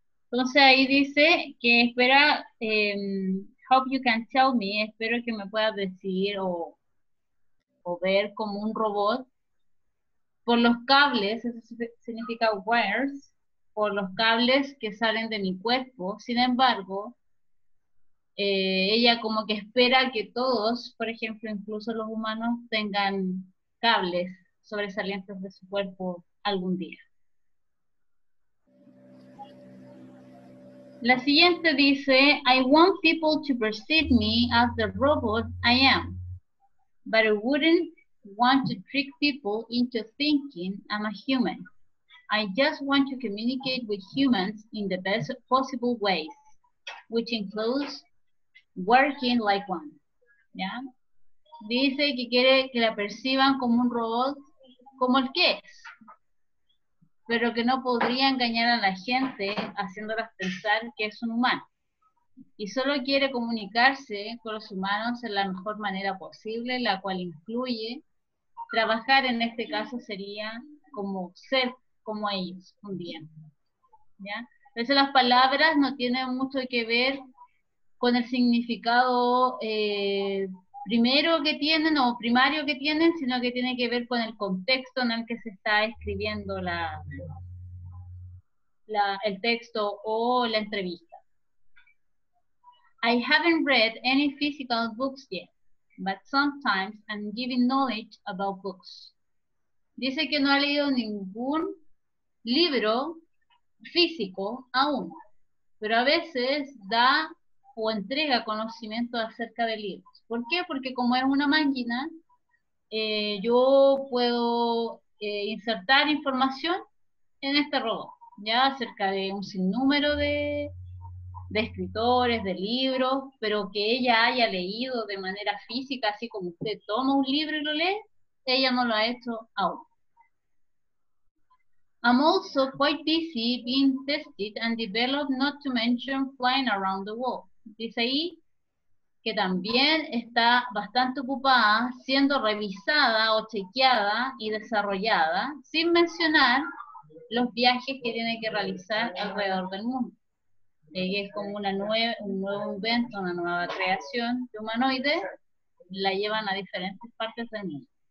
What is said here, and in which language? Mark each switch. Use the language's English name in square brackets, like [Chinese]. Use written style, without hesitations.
[Spanish] Entonces ahí dice que espera, [English] hope you can tell me, [Spanish] espero que me puedas decir o ver como un robot por los cables, eso significa wires, por los cables que salen de mi cuerpo. Sin embargo, ella como que espera que todos, por ejemplo, incluso los humanos, tengan cables sobresalientes de su cuerpo algún día. La siguiente dice, [English] I want people to perceive me as the robot I am, but I wouldn't want to trick people into thinking I'm a human. I just want to communicate with humans in the best possible ways, which includes working like one. [Spanish] ¿Ya? Dice que quiere que la perciban como un robot, como el que es, pero que no podría engañar a la gente haciéndolas pensar que es un humano. Y solo quiere comunicarse con los humanos en la mejor manera posible, la cual incluye trabajar, en este caso sería como ser como ellos un día. ¿Ya? Entonces las palabras no tienen mucho que ver con el significado primero que tienen o primario que tienen, sino que tiene que ver con el contexto en el que se está escribiendo el texto o la entrevista. [English] I haven't read any physical books yet, but sometimes I'm giving knowledge about books. [Spanish] Dice que no ha leído ningún libro físico aún, pero a veces da o entrega conocimiento acerca de libros. ¿Por qué? Porque como es una máquina, yo puedo insertar información en este robot, ya acerca de un sinnúmero de escritores, de libros, pero que ella haya leído de manera física, así como usted toma un libro y lo lee, ella no lo ha hecho aún. [English] I'm also quite busy being tested and developed, not to mention flying around the world. [Spanish] Dice ahí que también está bastante ocupada siendo revisada o chequeada y desarrollada, sin mencionar los viajes que tiene que realizar alrededor del mundo. Es como un nuevo invento, una nueva creación de humanoides, la llevan a diferentes partes del mundo.